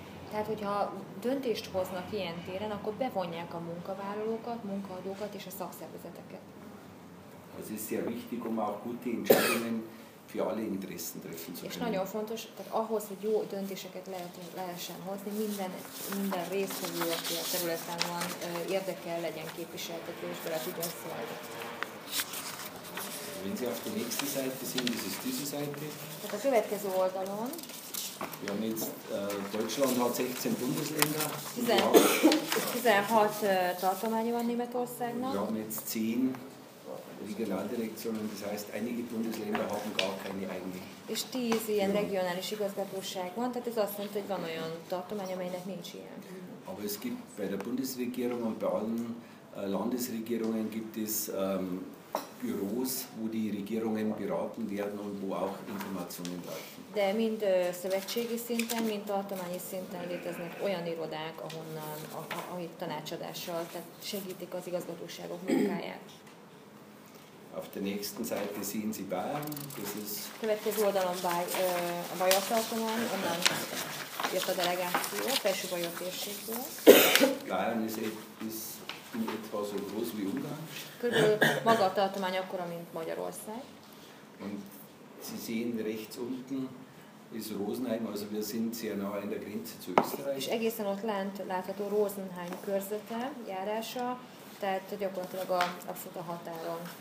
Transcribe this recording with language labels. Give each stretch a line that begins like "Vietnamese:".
Hungarian: Tehát, hogyha döntést hoznak ilyen téren, akkor bevonják a munkavállalókat, munkaadókat és a szakszervezeteket.
German: Das ist sehr wichtig, um auch gute Entscheidungen für alle Interessen treffen zu können.
Hungarian: És nagyon fontos, tehát ahhoz, hogy jó döntéseket lehessen hozni, minden résztvevő, aki a területen van, érdekel legyen képviseltetve és bele tudjon szólni.
German: Wenn Sie auf der nächsten Seite sehen, das ist diese Seite.
Hungarian: Tehát a következő oldalon.
German: Wir haben jetzt, Deutschland hat 16 Bundesländer.
Hungarian: 16 tartományi van Németországnak.
German: Wir haben jetzt 10 Regionaldirektionen, das heißt, einige Bundesländer haben gar keine eigene.
Hungarian: És 10 ilyen regionális igazgatóság van, tehát ez azt mondta, hogy van olyan tartomány, amelynek nincs ilyen.
German: Aber es gibt bei der Bundesregierung und bei allen Landesregierungen gibt es Büros, wo die Regierungen beraten werden und wo auch Informationen laufen.
Hungarian: De mind szövetségi szinten, mind tartományi szinten léteznek olyan irodák, ahonnan, ahogy tanácsadással, tehát segítik az igazgatóságok munkáját.
German: Auf der nächsten Seite sehen Sie Bayern. Das ist.
Hungarian: Következő oldalon a Bajor tartomány, onnan jött a delegáció, a felső Bajor térségből.
German: Bayern ist in etwa so groß wie Ungarn.
Hungarian: Körülbelül maga a tartomány akkora, mint Magyarország.
German: Und Sie sehen rechts unten ist Rosenheim, also wir sind sehr nah an der Grenze zu Österreich.
Hungarian: És egészen ott lent látható Rosenheim körzete, járása, tehát gyakorlatilag abszolút a határon.